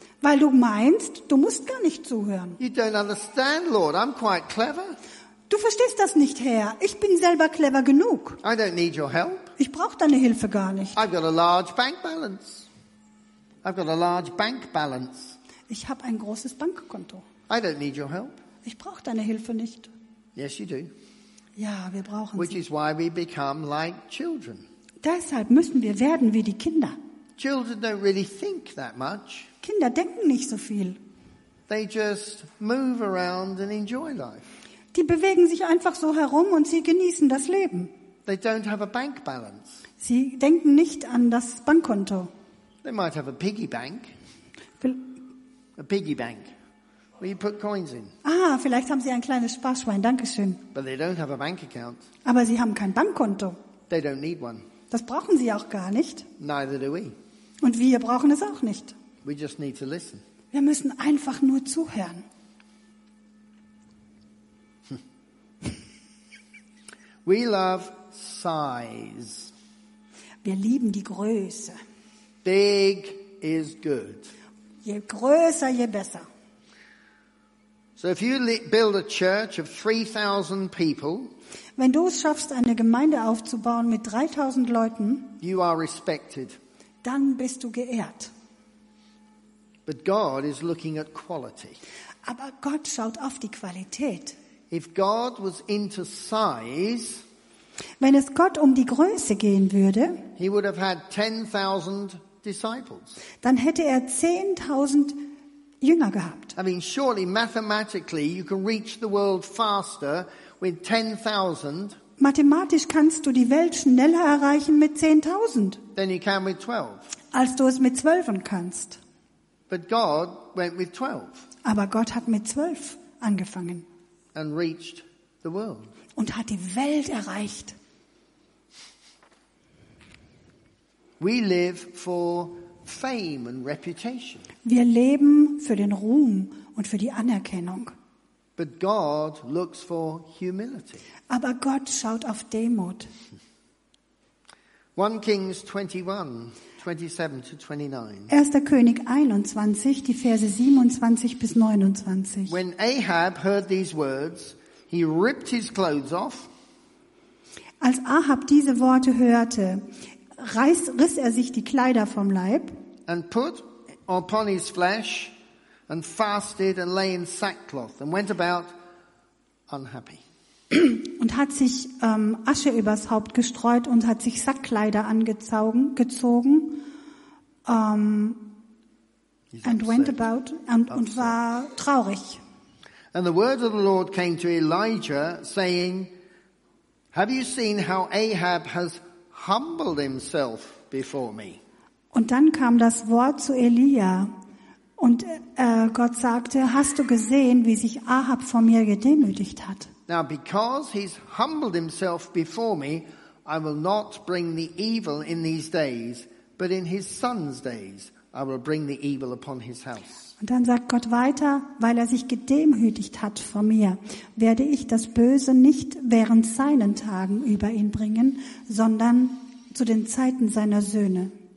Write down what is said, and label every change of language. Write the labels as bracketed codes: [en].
[de] Weil du meinst, du musst gar nicht zuhören. [en] You don't understand, Lord. I'm quite clever. [de] Du verstehst das nicht, Herr. Ich bin selber clever genug. [en] I don't need your help. [de] Ich brauche deine Hilfe gar nicht. [en] I've got a large bank balance. I've got a large bank balance. [de] Ich habe ein großes Bankkonto. [en] I don't need your help. [de] Ich brauche deine Hilfe nicht. [en] Yes, you do. [de] Ja, wir brauchen [en] Which [de] sie. [en] Is why we become like children. [de] Deshalb müssen wir werden wie die Kinder. [en] Children don't really think that much. [de] Kinder denken nicht so viel. [en] They just move around and enjoy life. [de] Die bewegen sich einfach so herum und sie genießen das Leben. [en] They don't have a bank balance. [de] Sie denken nicht an das Bankkonto. [en] They might have a piggy bank. A piggy bank. Where you put coins in. [de] Ah, vielleicht haben sie ein kleines Sparschwein. Dankeschön. [en] But they don't have a bank account. [de] Aber sie haben kein Bankkonto. [en] They don't need one. [de] Das brauchen sie auch gar nicht. [en] Neither do we. [de] Und wir brauchen es auch nicht. [en] We just need to listen. [de] Wir müssen einfach nur zuhören. [en] We love size. [de] Wir lieben die Größe. [en] Big is good. [de] Je größer, je besser. [en] So if you build a church of 3,000 people, [de] wenn du es schaffst, eine Gemeinde aufzubauen mit 3,000 Leuten, [en] you are respected. [de] Dann bist du geehrt. [en] But God is looking at quality. [de] Aber Gott schaut auf die Qualität. [en] If God was into size, [de] wenn es Gott um die Größe gehen würde, [en] he would have had 10,000 disciples. [de] Dann hätte er 10,000 Jünger gehabt. [en] I mean, surely mathematically you can reach the world faster with 10,000. [de] Mathematisch kannst du die Welt schneller erreichen mit 10,000. [en] Then you can with 12. [de] Als du es mit 12 kannst. [en] But God went with 12. [de] Aber Gott hat mit 12 angefangen. [en] And reached the world. [de] Und hat die Welt erreicht. [en] We live for fame and reputation. [de] Wir leben für den Ruhm und für die Anerkennung. [en] But God looks for humility. [de] Aber Gott schaut auf Demut. [en] 1 Kings 21, 27 to 29. [de] 1. König 21, die Verse 27 bis 29. [en] When Ahab heard these words, he ripped his clothes off. [de] Als Ahab diese Worte hörte, riss er sich die Kleider vom Leib. [en] And put upon his flesh and fasted and lay in sackcloth and went about unhappy. [de] Und hat sich Asche übers Haupt gestreut und hat sich Sackkleider angezogen [en] and went about [de] und war traurig. [en] And the word of the Lord came to Elijah saying, have you seen how Ahab has humbled himself before me? [de] Und dann kam das Wort zu Elia Und Gott sagte, hast du gesehen, wie sich Ahab vor mir gedemütigt hat? [en] Now because he's humbled himself before me, I will not bring the evil in these days, but in his son's days I will bring the evil upon his house. [de] Und dann sagt Gott weiter, weil er sich gedemütigt hat vor mir, werde ich das Böse nicht während seinen Tagen über ihn bringen, sondern zu den Zeiten seiner Söhne.